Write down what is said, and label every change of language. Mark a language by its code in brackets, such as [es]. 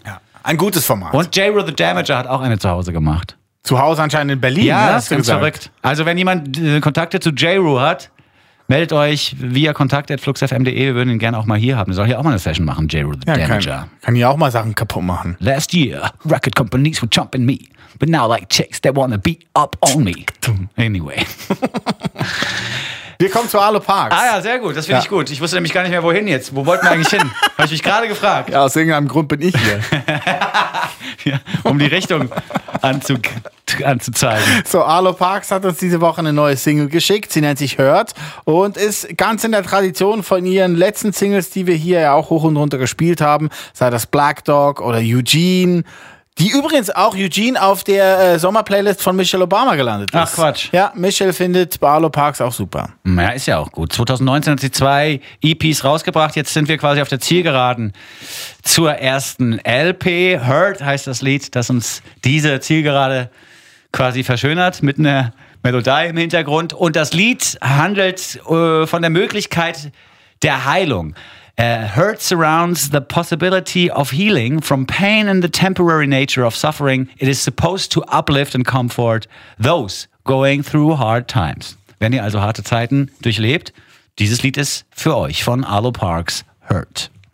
[de] Ja. Ein gutes Format. Und J-Ro the Damager hat auch eine zu Hause gemacht. Zu Hause anscheinend in Berlin. Ja, ne, das ist verrückt. Also wenn jemand Kontakte zu J-Ru hat, meldet euch via kontakt@fluxfm.de. Wir würden ihn gerne auch mal hier haben. Soll hier auch mal eine Session machen, J-Ru the Damager. Kann hier auch mal Sachen kaputt machen. [en] Last year, record companies were jumping me. But now like chicks, they wanna beat up on me. Anyway. [de] Wir kommen zu Arlo Parks. Ah ja, sehr gut. Das finde ich gut. Ich wusste nämlich gar nicht mehr, wohin jetzt. Wo wollten wir eigentlich hin? Habe ich mich gerade gefragt. Ja, aus irgendeinem Grund bin ich hier. Ja, um die Richtung anzuzeigen. So, Arlo Parks hat uns diese Woche eine neue Single geschickt. Sie nennt sich Hurt und ist ganz in der Tradition von ihren letzten Singles, die wir hier ja auch hoch und runter gespielt haben. Sei das Black Dog oder Eugene. Die übrigens auch Eugene auf der Sommerplaylist von Michelle Obama gelandet ist. Ach Quatsch. Ja, Michelle findet Arlo Parks auch super. Ja, ist ja auch gut. 2019 hat sie 2 EPs rausgebracht. Jetzt sind wir quasi auf der Zielgeraden zur ersten LP. Hurt heißt das Lied, das uns diese Zielgerade quasi verschönert mit einer Melodie im Hintergrund. Und das Lied handelt von der Möglichkeit der Heilung. [en] Hurt surrounds the possibility of healing from pain and the temporary nature of suffering. It is supposed to uplift and comfort those going through hard times. [de] Wenn ihr also harte Zeiten durchlebt, dieses Lied ist für euch von Arlo Parks, Hurt.